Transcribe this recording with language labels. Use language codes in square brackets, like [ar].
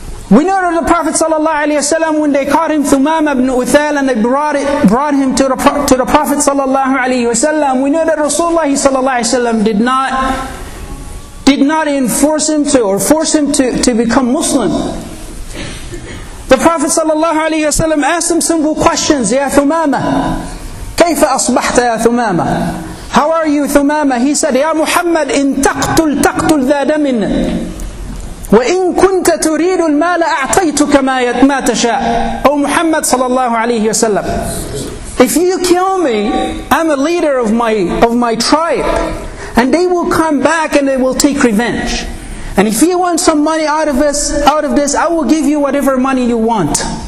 [en] We know that the Prophet sallallahu alaihi wasallam, when they caught him, Thumam ibn Uthal, and they brought him to the Prophet sallallahu alaihi wasallam, we know that Rasulullah sallallahu alaihi wasallam did not enforce him to or force him to become Muslim. The Prophet sallallahu alaihi wasallam asked him simple questions, Ya Thumama, [ar] كيف أصبحت يا [en] Thumama? How are you, Thumama? [ar] He said, Ya Muhammad, in taqtul taqtul ذا دم وإن كنت تريد المال أعطيتك ما تشاء. [en] O Muhammad sallallahu alaihi wasallam, if you kill me, I'm a leader of my tribe, and they will come back and they will take revenge. And if you want some money out of this, I will give you whatever money you want.